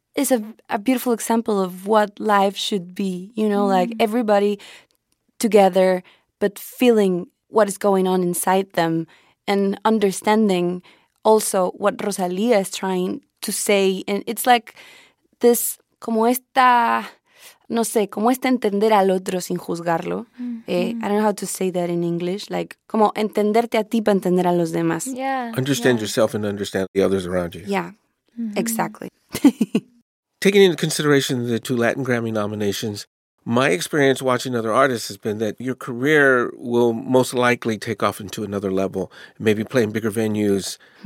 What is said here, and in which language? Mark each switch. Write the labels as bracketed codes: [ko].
[en] is a beautiful example of what life should be, you know, like everybody together, but feeling what is going on inside them and understanding also what Rosalía is trying to say. And it's like this, [es] como esta, no sé, como esta entender al otro sin juzgarlo. [en] I don't know how to say that in English. [es] Like, como entenderte a ti para entender a los demás. [en] Yeah. Understand yourself and understand the others around you. Yeah, exactly. Taking into consideration the two Latin Grammy nominations, my experience watching other artists has been that your career will most likely take off into another level, maybe play in bigger venues.